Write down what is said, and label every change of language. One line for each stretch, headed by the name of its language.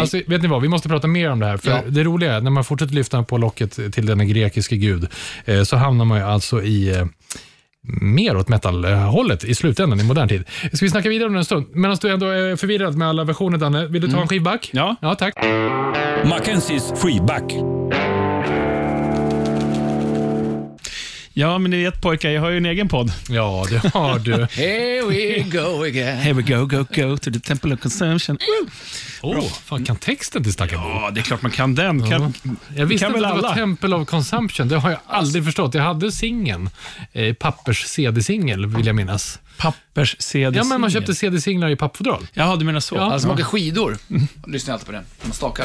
Swedish: Alltså, vet ni vad? Vi måste prata mer om det här, för det roliga är när man fortsätter lyfta på locket till den grekiska gud, så hamnar man ju alltså i mer åt metalhållet i slutändan i modern tid. Ska vi snacka vidare om den en stund? Medan du ändå är förvirrad med alla versioner, Danne, vill du ta en skivback? Ja. Ja, tack. Mackenzie's skivback. Ja, men ni vet pojkar, jag har ju en egen podd. Ja, det har du.
English: Here we go again. Here we go, go, go to the temple of consumption.
Swedish: Åh, fan, kan texten till stackaren? Ja, det är klart man kan den. Kan, jag visste kan inte väl alla. Att det var
English: temple of consumption.
Swedish: Det har jag aldrig förstått. Jag hade singeln, pappers cd-singel, vill jag minnas. Pappers cd-singel? Ja, men man köpte cd-singlar i pappfodral. Ja, du menar så. Ja. Alltså man åker skidor. Mm. Lyssnar alltid på den. Man stakar.